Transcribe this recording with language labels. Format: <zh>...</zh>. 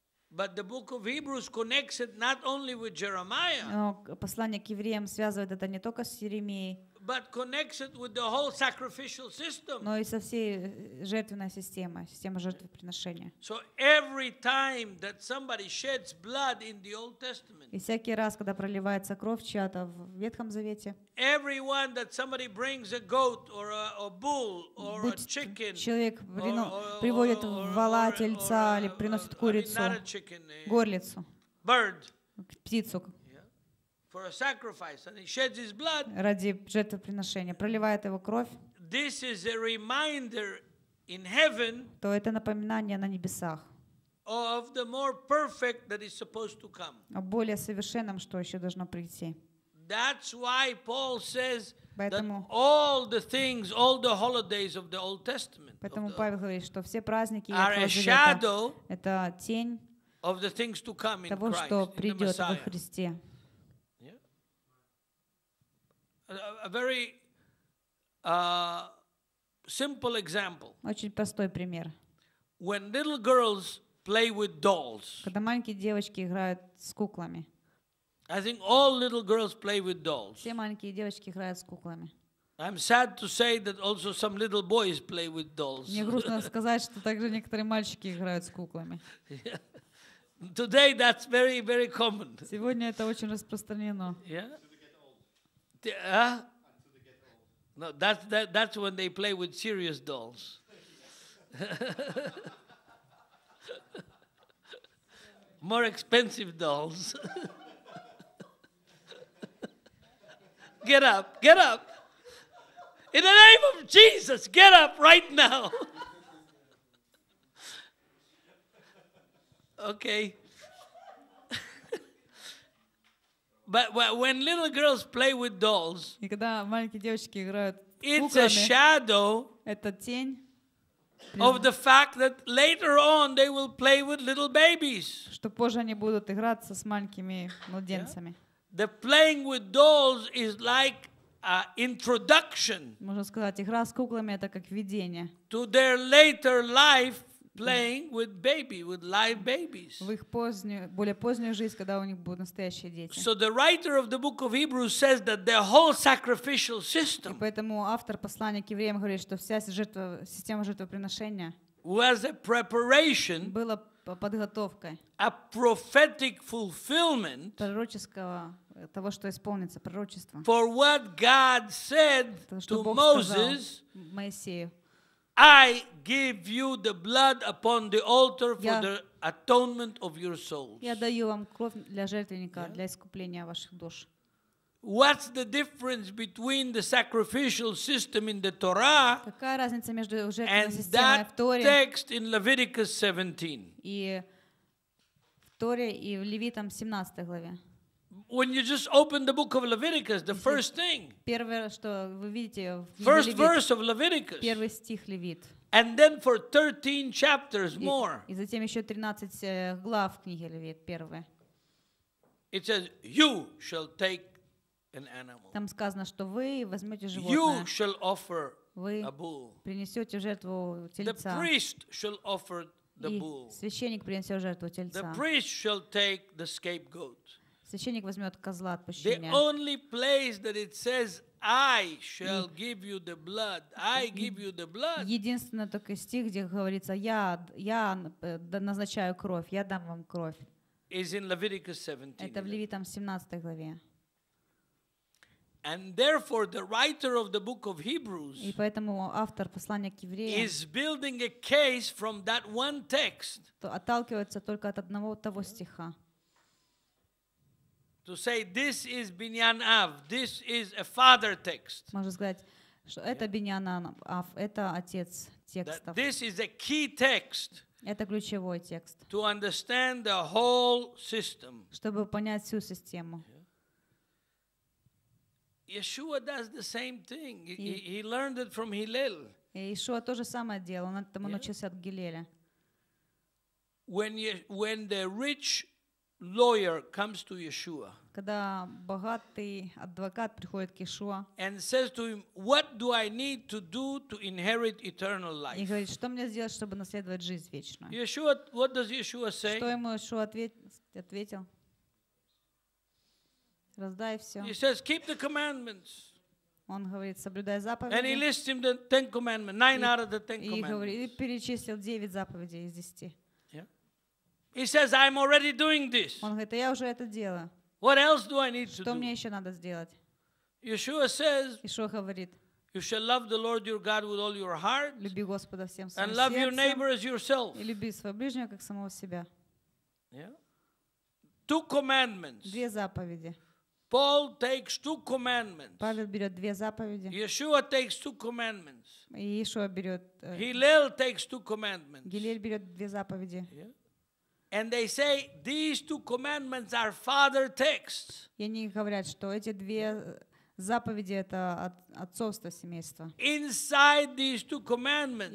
<en>But the book of Hebrews connects it not only with Jeremiah.</en> <ru>Но послание к евреям связывает это не только с Иеремией.</ru> <en>But connects it with the whole sacrificial system.</en> <ru>Но и со всей жертвенной системой, система жертвоприношения.</ru> <en>So every time that somebody sheds blood in the Old Testament.</en> <ru>И всякий раз, когда проливается кровь чья-то в Ветхом Завете.</ru> <en>Everyone that somebody brings a goat or a bull or a chicken.</en> <ru>Человек приводит вола, тельца или приносит курицу. Горлицу.</ru> <en>Bird.</en> <ru>Птицу.</ru> <en>For a sacrifice, and he sheds his blood.</en> <ru>Ради жертвоприношения проливает его кровь.</ru> <en>This is a reminder in heaven.</en> <ru>То это напоминание на небесах.</ru> <en>Of the more perfect that is supposed to come.</en> <ru>О более совершенном, что еще должно прийти.</ru> <en>That's why Paul says that all the things, all the holidays of the Old Testament.</en> <ru>Поэтому Павел говорит, что все праздники</ru> <en>are a shadow.</en> <ru>Это тень.</ru> <en>Of the things to come in Christ.</en> <ru>Того, что придет во Христе.</ru> <en>A very simple example.</en> <ru>Очень простой пример.</ru> <en>When little girls play with dolls.</en> <ru>Когда маленькие девочки играют с куклами.</ru> <en>I think all little girls play with dolls.</en> <ru>Все маленькие девочки играют с куклами.</ru> <en>I'm sad to say that also some little boys play with dolls.</en> <ru>Мне грустно сказать, что также некоторые мальчики играют с куклами.</ru> <en>Today that's very very common.</en> <ru>Сегодня это очень распространено.</ru> <en>Yeah. No, that's when they play with serious dolls. More expensive dolls. Get up. In the name of Jesus, get up right now. Okay. But when little girls play with dolls,</en> <ru>и когда маленькие девочки играют куклами,</ru> <en>it's a shadow,</en> <ru>это тень,</ru> <en>of the fact that later on they will play with little babies.</en> <ru>Что позже они будут играться с маленькими младенцами.</ru> <en>The playing with dolls is like an introduction.</en> <ru>Можно сказать, игра с куклами это как введение.</ru> <en>To their later life, playing with baby, with live babies.</en> <uk>В їх позню, більш позню життя, коли у них будуть настоящі діти.</uk> <en>So the writer of the book of Hebrews says that the whole sacrificial system.</en> <ru>І поэтому автор послання к евреям говорит, что вся жертва, система жертвоприношения</ru> <en>was a preparation.</en> <uk>Була підготовка.</uk> <en>A prophetic fulfillment.</en> <ru>Пророческого того, що исполнится пророчество.</ru> <en>For what God said to Moses.</en> <ru>Моисею.</ru> <en>I give you the blood upon the altar for the atonement of your souls.</en> <ru>Я даю вам кров для жертвенника, для искупления ваших душ.</ru> <en>What's the difference between the sacrificial system in the Torah?</en> <ru>Какая разница между жертвенной системой в Торе?</ru> <en>And that text in Leviticus 17.</en> <ru>И в Торе и в Левитам 17 главе.</ru> <en>When you just open the book of Leviticus, the first thing.</en> <ru>Первое, что вы видите в</ru> <en>First verse of Leviticus.</en> <ru>Первый стих Левит.</ru> <en>And then for 13 chapters more.</en> <ru>И затем ещё 13 глав книги Левит первые.</ru> <en>It says you shall take an animal.</en> <ru>Там сказано, что вы возьмёте животное.</ru> <en>You shall offer a bull.</en> <ru>Вы принесёте в жертву тельца.</ru> <en>The priest shall offer the bull.</en> <ru>И священник принесёт в жертву тельца.</ru> <en>The priest shall take the scapegoat.</en> <ru>Священник возьмёт козла отпущения.</ru> <en>The only place that it says I shall give you the blood. I give you the blood.</en> <ru>Единственный только стих, где говорится: я назначаю кровь, я дам вам кровь.</ru> <en>Is in Leviticus 17.</en> <ru>Это в Левитам 17 главе.</ru> <en>And therefore the writer of the book of Hebrews.</en> <ru>И поэтому автор послания к евреям</ru> <en>is building a case from that one text.</en> <ru>То отталкивается только от одного того стиха.</ru> <en>To say this is Binyan Av, this is a father text.</en> <ru>Можно сказать, что это Binyan Av, это отец текста.</ru> <en>This is a key text.</en> <ru>Это ключевой текст.</ru> <en>To understand the whole system.</en> <ru>Чтобы понять всю систему.</ru> <en>Yeshua does the same thing. He learned it from Hillel.</en> <ru>И Иешуа то же самое делал, он этому научился от Гиллеля.</ru> <en>When the rich lawyer comes to Yeshua.</en> <ru>Когда богатый адвокат приходит к Иешуа.</ru> <en>And says to him, "What do I need to do to inherit eternal life?"</en> <ru>И говорит, что мне сделать, чтобы наследовать жизнь вечную?</ru> <en>Yeshua, what does Yeshua say?</en> <ru>Что ему Иешуа ответил? Раздай всё.</ru> <en>He says, "Keep the commandments."</en> <ru>Он говорит, соблюдай заповеди.</ru> <en>And he lists him the 10 commandments, 9 out of the 10 commandments.</en> <ru>И говорит, и перечислил 9 заповедей из 10.</ru> <en>He says, "I'm already doing this."</en> <ru>Он говорит, я уже это делаю.</ru> <en>What else do I need to do?</en> <ru>Что мне еще надо сделать?</ru> <en>Yeshua says.</en> <ru>Иешуа говорит.</ru> <en>You shall love the Lord your God with all your heart.</en> <ru>Люби Господа всем своим сердцем.</ru> <en>And love your neighbor as yourself.</en> <ru>И люби своего ближнего как самого себя.</ru> <en>Yeah. Two commandments.</en> <ru>Две заповеди.</ru> <en>Paul takes two commandments.</en> <ru>Павел берет две заповеди.</ru> <en>Yeshua takes two commandments.</en> <ru>Иешуа берет.</ru> <en>Hillel takes two commandments.</en> <ru>Гиллель берет две заповеди.</ru> <en>Yeah. And they say these two commandments are father texts.</en> <ru>И они говорят, что эти две заповеди это отцовство семейства.</ru> <en>Inside these two commandments.</en>